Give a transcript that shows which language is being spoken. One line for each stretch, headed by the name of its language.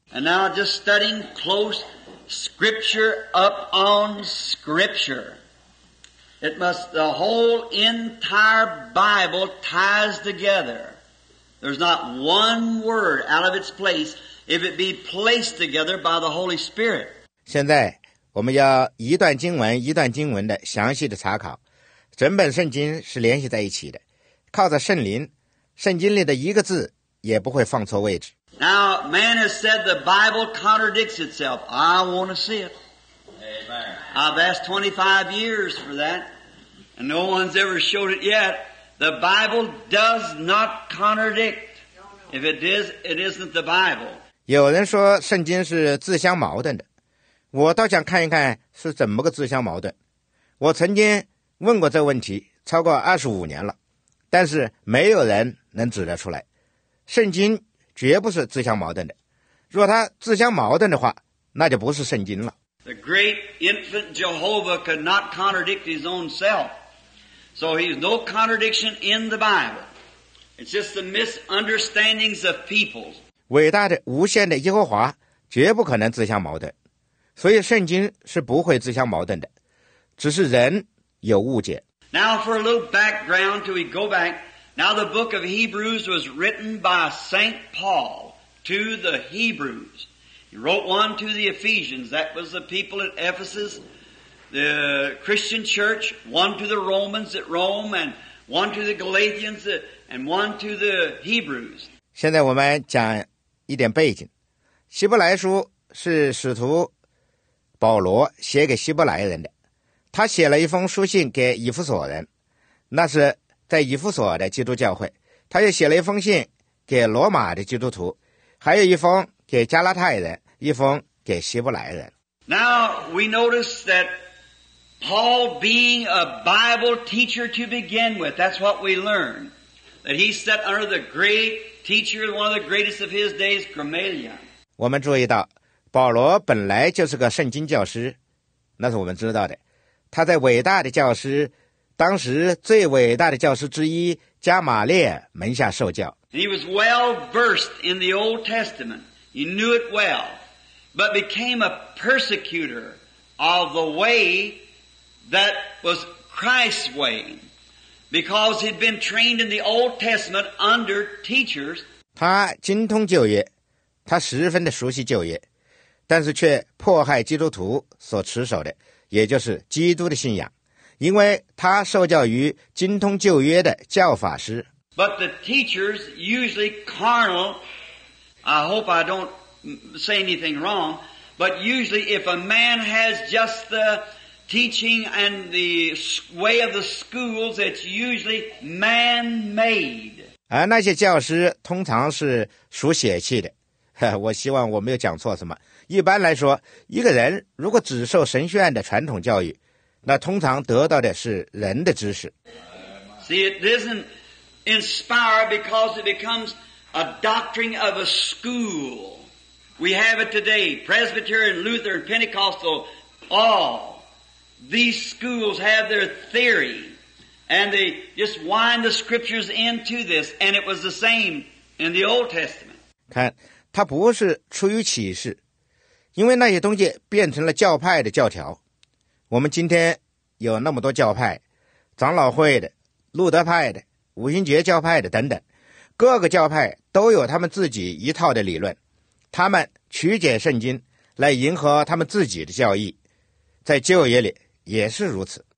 English: And now just studying close scripture up on scripture. It must, the whole entire Bible ties together. There's not one word out of its place if it be placed together by the Holy Spirit.
Chinese: 现在我们要一段经文一段经文的详细的查考。整本圣经是联系在一起的。靠着圣灵，圣经里的一个字也不会放错位置。
English: Now, man has said the Bible contradicts itself. I want to see it. Amen. I've asked 25 years for that, and no one's ever showed it yet. The Bible does not contradict. If it is, it isn't the Bible.
Chinese: 有人说圣经是自相矛盾的，我倒想看一看是怎么个自相矛盾。我曾经问过这问题，超过25年了。但是没有人能指得出来，圣经绝不是自相矛盾的。若它自相矛盾的话，那就不是圣经了。
English: The great infant Jehovah could not contradict his own self, so he's no contradiction in the Bible. It's just the misunderstandings of people.
Chinese: 伟大的无限的耶和华绝不可能自相矛盾，所以圣经是不会自相矛盾的，只是人有误解。
English: Now for a little background till we go back. Now the book of Hebrews was written by St. Paul to the Hebrews. He wrote one to the Ephesians. That was the people at Ephesus, the Christian church. One to the Romans at Rome and one to the Galatians and one to the Hebrews.
Chinese: 现在我们讲一点背景。希伯来书是使徒保罗写给希伯来人的。他写了一封书信给以弗所人，那是在以弗所的基督教会。他又写了一封信给罗马的基督徒，还有一封给加拉太人，一封给希伯来人。
English: Now we notice that Paul being a Bible teacher to begin with, that's what we learn. That he sat under the great teacher, one of the greatest of his days, Gamaliel.
Chinese: 我们注意到，保罗本来就是个圣经教师，那是我们知道的。他在伟大的教师，当时最伟大的教师之一加马列门下受教。
English: He was well versed in the Old Testament. He knew it well, but became a persecutor of the way that was Christ's way, because he'd been trained in the Old Testament under teachers.
Chinese: 他精通旧约，他十分的熟悉旧约，但是却迫害基督徒所持守的。也就是基督的信仰，因为他受教于精通旧约的教法师。
English: But the teachers usually carnal I hope I don't say anything wrong, but usually if a man has just the teaching and the way of the schools, it's usually man-made.
Chinese: 而那些教师通常是属血气的。我希望我没有讲错什么。一般来说，一个人如果只受神学院的传统教育，那通常得到的是人的知识。
English: See, it isn't inspired because it becomes a doctrine of a school. We have it today. Presbyterian, Lutheran, Pentecostal, all. These schools have their theory. And they just wind the scriptures into this. And it was the same in the Old Testament.
Chinese: 看，它不是出于启示，因为那些东西变成了教派的教条。我们今天有那么多教派，长老会的、路德派的、五旬节教派的等等，各个教派都有他们自己一套的理论，他们曲解圣经来迎合他们自己的教义，在旧约里也是如此。